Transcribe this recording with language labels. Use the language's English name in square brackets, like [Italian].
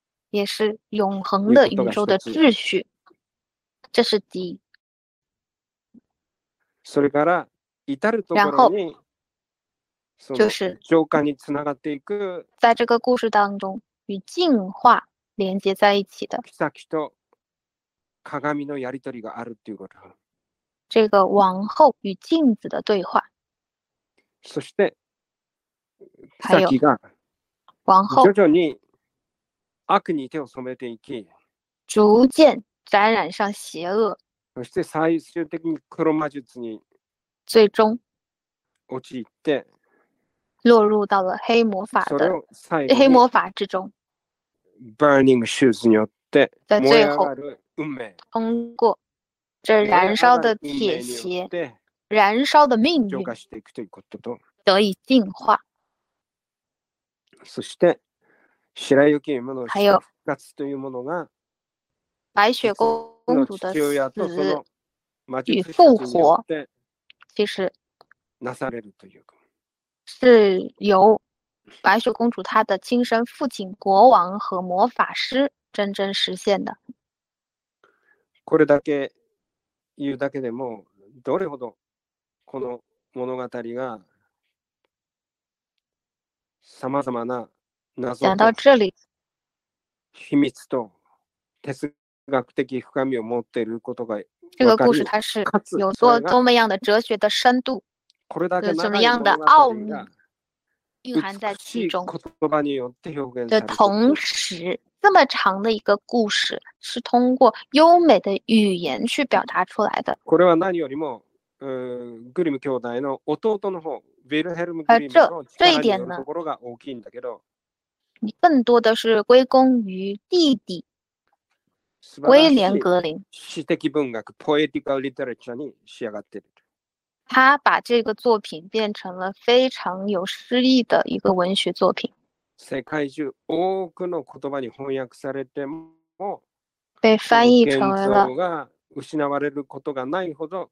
[Chinese] 也是永恒的宇宙的秩序。这是第一。 [Japanese] それから至るところに、 [Chinese] 就是 [Japanese] 浄化につながっていく。 [Chinese] 在这个故事当中与进化连接在一起的。 [Japanese] 妃と鏡のやり取りがあるということ。 [Chinese] 这个王后与镜子的对话。 [Japanese] そして [Chinese] 王后 [Japanese] 徐々に悪に手を染めていき、 [Chinese] 逐渐沾染上邪恶、 [Japanese] そして最終的に黒魔術に最終陥って [Chinese] 落入到了黑魔法的黑魔法之中。 [English] Burning shoes [Japanese] によって [Chinese] 在最后 [Japanese] 運命 [Chinese] 通过这燃烧的铁鞋燃烧的命运 [Japanese] 浄化していくということと [Chinese] 得以进化。 [Japanese] そして白雪姫の復活というものが [Chinese] 白雪公主的死 [Japanese] とその魔術 [Chinese] 与复活其实 [Japanese] なされるという [Chinese] 是由白雪公主她的亲生父亲国王和魔法师真正实现的。 [Japanese] これだけ言うだけでもどれほどこの物語が様々な謎 [Chinese] 讲到这里 [Japanese] 秘密と哲学的深みを持っていることが [Chinese] 这个故事它是有多多么样的哲学的深度 [Japanese] これだけ [Chinese] 怎么样的奥秘蕴含在其中的同时这么长的一个故事是通过优美的语言去表达出来的 [Japanese] これは何よりも、グリム兄弟の弟の方ヴィルヘルム・グリムの力によるところが大きいんだけど、 [Chinese] 你更多的是归功于弟弟威廉格林。 [Japanese] 詩的文学 [English] poetical literature [Japanese] 仕上がってる。 [Chinese] 他把这个作品变成了非常有诗意的一个文学作品。 [Japanese] 世界中多くの言葉に翻訳されても、 [Chinese] 被翻译成为了。 [Japanese] 失われることがないほど